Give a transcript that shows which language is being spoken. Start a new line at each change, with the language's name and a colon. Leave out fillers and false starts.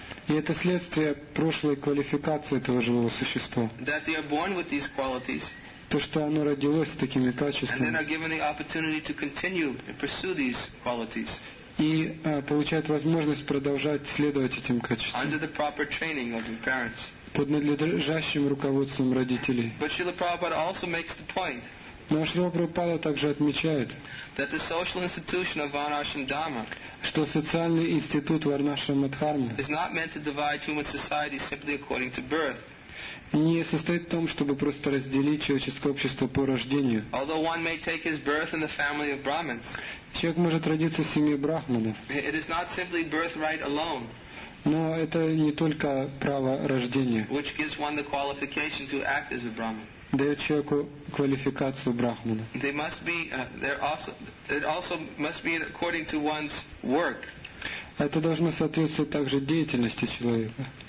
Russian: И это следствие прошлой квалификации этого живого существа.
English: That they are born with these qualities.
Russian: То, что оно родилось с такими качествами.
English: And then are given the opportunity to continue and pursue these qualities.
Russian: И получают возможность продолжать следовать этим качествам.
English: Under the proper training of the parents.
Russian: Под надлежащим руководством родителей.
English: But Srila Prabhupada also makes the point.
Russian: Но Шрила Прабхупада также отмечает,
English: that the social institution of Varnashram Dharma,
Russian: что социальный институт Варнашрама Дхармы,
English: is not meant to divide human society simply according to birth.
Russian: Не состоит в том, чтобы просто разделить человеческое общество по рождению.
English: Although one may take his birth in the family of Brahmins,
Russian: человек может родиться в семье брахманов.
English: It is not simply birthright alone.
Russian: Но это не только право рождения,
English: which gives one the qualification to act as a Brahmin.
Russian: Дает человеку квалификацию брахмана.
English: They must be, it also must be according to one's work.
Russian: Это должно соответствовать также деятельности человека.